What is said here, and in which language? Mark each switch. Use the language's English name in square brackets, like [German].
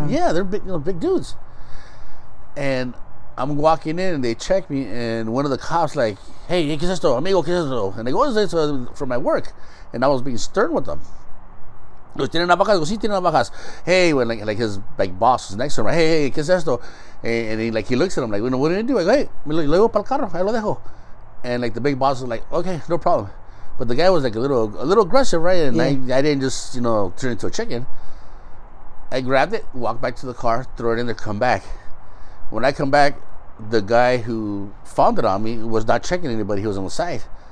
[English] Huh? Yeah, they're big, you know, big dudes. And I'm walking in, and they check me, and one of the cops like, "Hey, [Spanish] ¿qué es esto, amigo? ¿Qué es esto?" [English] And they go, "This is for my work," and I was being stern with them. [Spanish] ¿Tienen navajas? Sí, tienen navajas. [English] Hey, when like his like boss is next to him, right? Hey, [Spanish] ¿qué es esto? [English] And he looks at him like, "What do you do?" I go, "Hey, [Spanish] me lo llevo para el carro, ahí lo dejo." [English] And like the big boss is like, "Okay, no problem." But the guy was like a little aggressive, right? And I didn't just, you know, turn into a chicken. I grabbed it, walked back to the car, throw it in there, come back. When I come back, the guy who found it on me was not checking anybody. He was on the side.